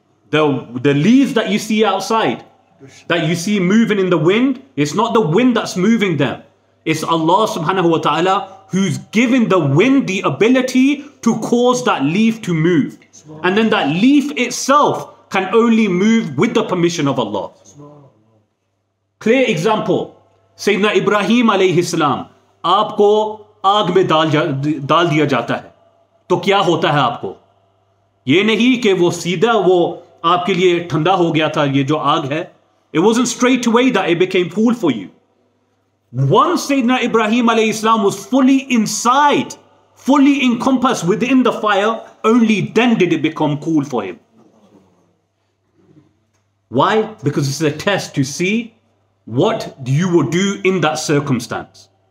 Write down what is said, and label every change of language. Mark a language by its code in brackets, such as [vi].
[en] The leaves that you see outside, that you see moving in the wind, it's not the wind that's moving them. It's Allah subhanahu wa ta'ala who's given the wind the ability to cause that leaf to move. And then that leaf itself can only move with the permission of Allah. Clear example. [hi] Sayyidina Ibrahim alayhi salam, aapko आग में डाल दिया जाता है तो क्या होता है आपको? ये नहीं कि वो सीधा वो आपके लिए ठंडा हो गया था ये जो आग है. [en] It wasn't straight away that it became cool for you. Once Sayyidina Ibrahim alayhi salam was fully inside, fully encompassed within the fire, only then did it become cool for him. Why? Because it's a test to see what you will do in that circumstance.